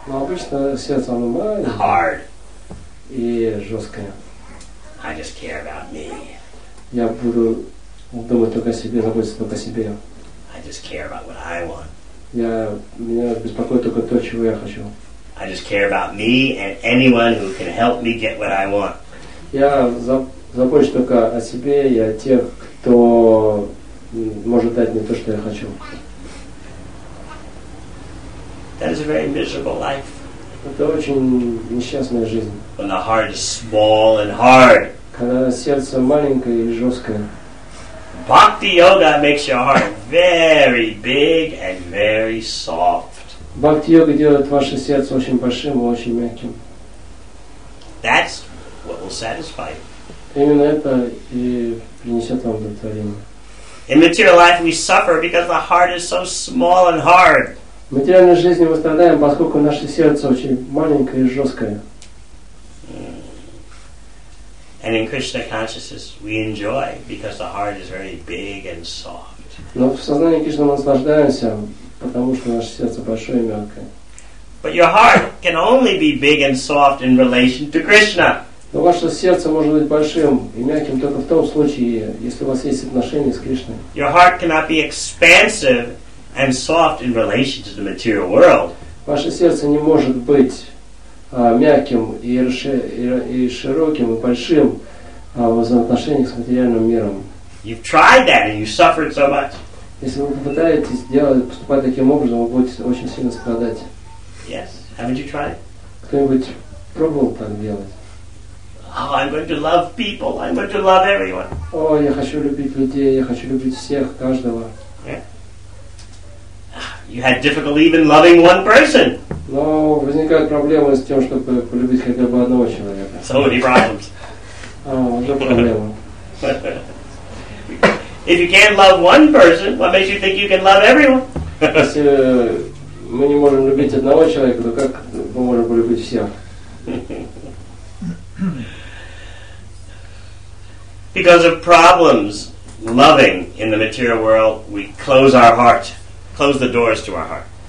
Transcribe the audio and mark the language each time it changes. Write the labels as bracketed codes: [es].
[ru] Но обычно сердце оно маленькое. [en] Hard. [ru] И жесткое. [en] I just care about me. [ru] Я буду думать только о себе, заботиться только о себе. [en] I just care about what I want. [ru] Меня беспокоит только то, чего я хочу. [en] I just care about me and anyone who can help me get what I want. [ru] Я забочусь только о себе и о тех, кто может дать мне то, что я хочу. [en] That is a very miserable life. [ru] Это очень несчастная жизнь. [en] When the heart is small and hard. [ru] Когда сердце маленькое и жесткое. [en] Bhakti yoga makes your heart very big and very soft. [ru] Bhakti yoga делает ваше сердце очень большим и очень мягким. [en] That's what will satisfy you. [ru] Именно это и принесет вам удовлетворение. [en] In material life we suffer because the heart is so small and hard. [ru] В материальной жизни мы страдаем, поскольку наше сердце очень маленькое и жесткое. [en] And in Krishna consciousness we enjoy because the heart is very big and soft. [ru] Но в сознании Кришны мы наслаждаемся, потому что наше сердце большое и мягкое. [en] But your heart can only be big and soft in relation to Krishna. [ru] Но ваше сердце может быть большим и мягким только в том случае, если у вас есть отношения с Кришной. [en] Your heart cannot be expansive and soft in relation to the material world. [ru] Ваше сердце не может быть мягким и широким и большим в взаимоотношениях с материальным миром. [en] You've tried that and you suffered so much. [ru] Если вы попытаетесь делать, поступать таким образом, вы будете очень сильно страдать. [en] Yes. Haven't you tried? [ru] Кто-нибудь пробовал так делать? [en] Oh, I'm going to love people. I'm going to love everyone. [ru] О, я хочу любить людей. Я хочу любить всех, каждого. [en] You had difficulty even loving one person. [ru] Но возникают проблемы с тем, чтобы полюбить хотя бы одного человека. [en] So many problems. [ru] Одна проблема. [en] If you can't love one person, what makes you think you can love everyone? [ru] Если мы не можем любить одного человека, то как мы можем полюбить всех? [en] Because of problems loving in the material world, we close our heart. Close the doors to our heart.